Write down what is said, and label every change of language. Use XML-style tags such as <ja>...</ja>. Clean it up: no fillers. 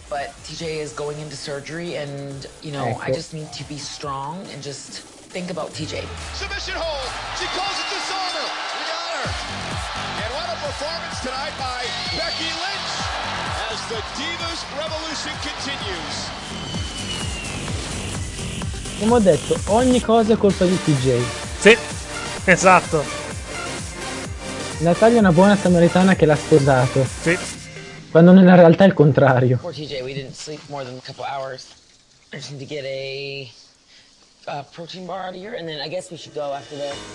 <en>But TJ is going into surgery and, you know, I just need to be strong and just... think about TJ. Submission hold. She calls it dishonor. We got her. And what a performance tonight by Becky Lynch as the Divas Revolution continues.</en> <it>Come ho detto, ogni cosa è colpa di TJ. Sì, esatto. Natalia è una buona samaritana che l'ha sposato. Sì. Quando nella realtà è il contrario.</it> <en>Poor TJ, we didn't sleep more than a couple hours. I just need to get a protein bar out of here, and then I guess we should go after that.</en>